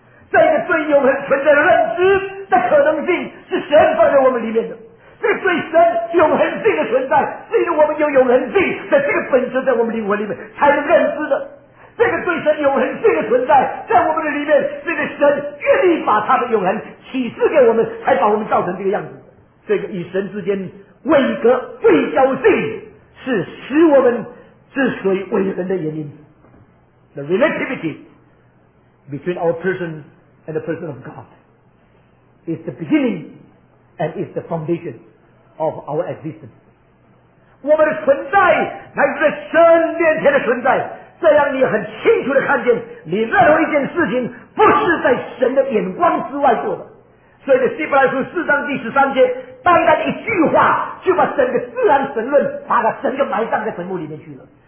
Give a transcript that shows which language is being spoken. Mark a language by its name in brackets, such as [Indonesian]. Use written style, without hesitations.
[Chinese] 这个对永恒存在的认知的可能性是神放在我们里面的，这个对神永恒性的存在是因为我们有永恒性的这个本质在我们灵魂里面才能认知的。这个对神永恒性的存在在我们的里面，这个神愿意把他的永恒启示给我们，才把我们造成这个样子。这个与神之间位格对焦性是使我们之所以为人的原因。 [English] The relativity between our person and the person of God is the beginning and is the foundation of our existence。 [Chinese] 我们的存在乃是在神面前的存在，这样你很清楚地看见你任何一件事情不是在神的眼光之外做的。所以希伯来书4章第13节，单单一句话就把整个自然神论把它整个埋葬在坟墓里面去了。